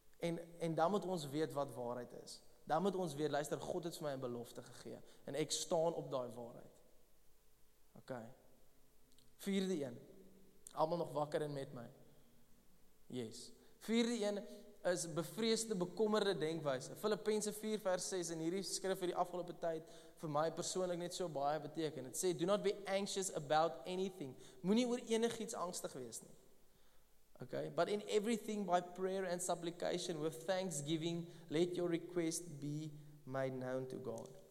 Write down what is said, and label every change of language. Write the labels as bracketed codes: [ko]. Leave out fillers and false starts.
[af] En dan moet ons weet wat waarheid is. Dan moet ons weet, luister, God het vir my 'n belofte gegee. En ek staan op daai waarheid. OK. Vierde een. Almal nog wakker en met my. Yes. Vierde een is bevreesde, bekommerde denkwyse. Filippense 4 vers 6 en hierdie skrif vir die afgelope tyd vir my persoonlik net so baie beteken. [en] Dit sê, do not be anxious about anything. [af] Moenie oor enigiets angstig wees nie. [en] Okay, but in everything by prayer and supplication with thanksgiving, let your request be made known to God.